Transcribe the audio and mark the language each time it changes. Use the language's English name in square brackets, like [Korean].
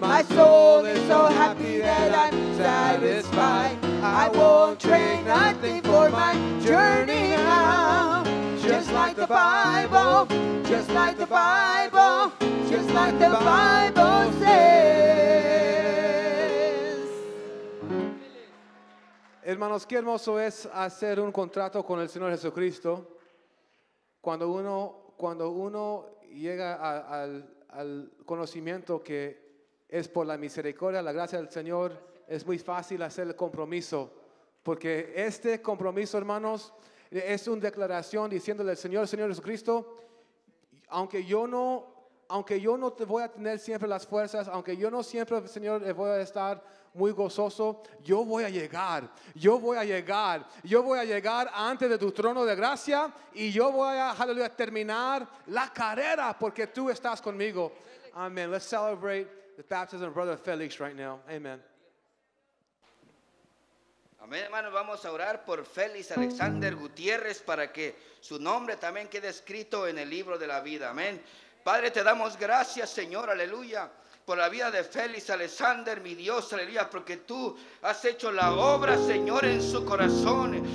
[English] My soul is so happy that I'm satisfied. I won't train nothing for my journey now. Just like the Bible, just like the Bible, just like the Bible says. [Spanish] Hermanos, qué hermoso es hacer un contrato con el Señor Jesucristo. Cuando uno llega al conocimiento que es por la misericordia, la gracia del Señor, es muy fácil hacer el compromiso, porque este compromiso, hermanos, es una declaración diciéndole al Señor, Señor Jesucristo, aunque yo no te voy a tener siempre las fuerzas, aunque yo no siempre, Señor, voy a estar muy gozoso, yo voy a llegar antes de tu trono de gracia y yo voy a, aleluya, terminar la carrera porque tú estás conmigo. Amén. [English] Let's celebrate the baptism of Brother Felix right now. Amen. [Spanish] Amén, hermanos, vamos a orar por Félix Alexander Gutiérrez para que su nombre también quede escrito en el libro de la vida. Amén. Padre, te damos gracias, Señor, aleluya. por la vida de Félix Alexander, mi Dios, aleluya, porque tú has hecho la obra, Señor, en su corazón.